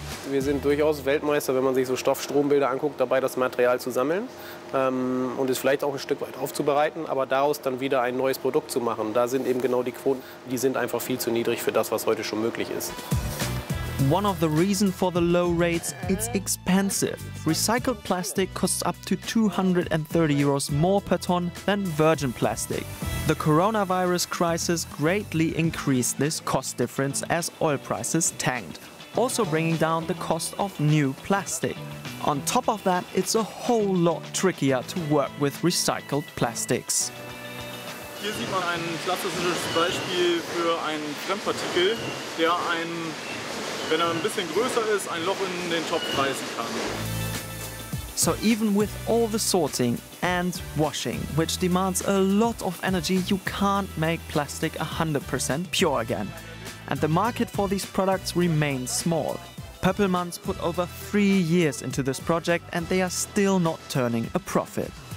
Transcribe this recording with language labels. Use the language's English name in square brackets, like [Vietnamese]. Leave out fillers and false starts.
[German] Wir sind durchaus Weltmeister, wenn man sich so Stoffstrombilder anguckt, dabei das Material zu sammeln und es vielleicht auch ein Stück weit aufzubereiten, aber daraus dann wieder ein neues Produkt zu machen. Da sind eben genau die Quoten, die sind einfach viel zu niedrig für das, was heute schon möglich ist. [English] One of the reasons for the low rates, it's expensive. Recycled plastic costs up to 230 euros more per ton than virgin plastic. The coronavirus crisis greatly increased this cost difference as oil prices tanked, also bringing down the cost of new plastic. On top of that, it's a whole lot trickier to work with recycled plastics. [German] Hier sieht man ein klassisches Beispiel für ein Fremdpartikel, der ein, wenn ein bisschen größer ist, ein Loch in den Topf reißen kann. [English] So even with all the sorting and washing, which demands a lot of energy, you can't make plastic 100% pure again. And the market for these products remains small. Pöppelmann's put over 3 years into this project and they are still not turning a profit.